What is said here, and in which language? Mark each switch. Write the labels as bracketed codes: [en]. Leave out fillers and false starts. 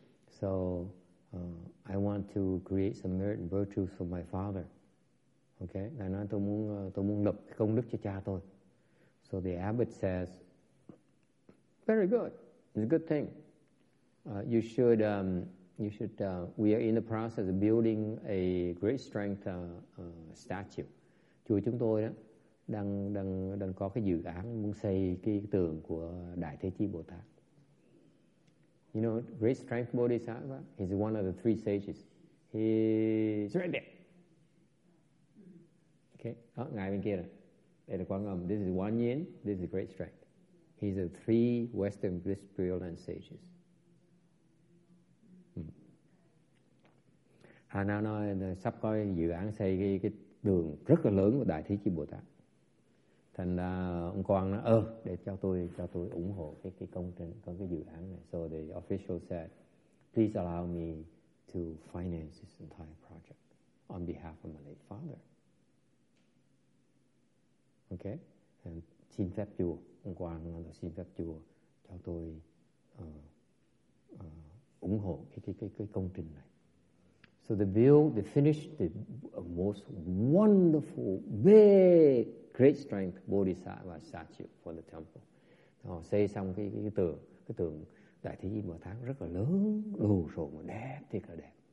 [en] So, I want to create some merit and virtues for my father. [vi] Okay, đại nói tôi muốn lập công đức cho cha tôi. [en] So the abbot says, very good, it's a good thing. We are in the process of building a great strength statue. [vi] Chùa chúng tôi đó đang có cái dự án muốn xây cái tượng của Đại Thế Chí Bồ Tát. [en] You know, great strength Bodhisattva, he's one of the three sages. He's right there. [vi] Okay, đó, ngài bên kia rồi. Đây là Quang Âm. [en] This is Quan Yin, this is great strength. He's the three Western Buddhist Pre-Land sages. [vi] Hà Na nói sắp có dự án xây cái đường rất là lớn của Đại Thế Chí Bồ Tát. Thành ra ông quan nói, để cho tôi ủng hộ cái công trình, có cái dự án này. [en] So the official said, please allow me to finance this entire project on behalf of my late father. Okay? [vi] And xin phép chùa, ông quan là xin phép chùa cho tôi ủng hộ cái công trình này. [en] So the build, they finished the most wonderful, big, great strength Bodhisattva statue for the temple. [vi] Họ xây xong cái tượng Đại Thế Chí Bồ Tát rất là lớn, đồ sộ mà đẹp, thiệt là đẹp.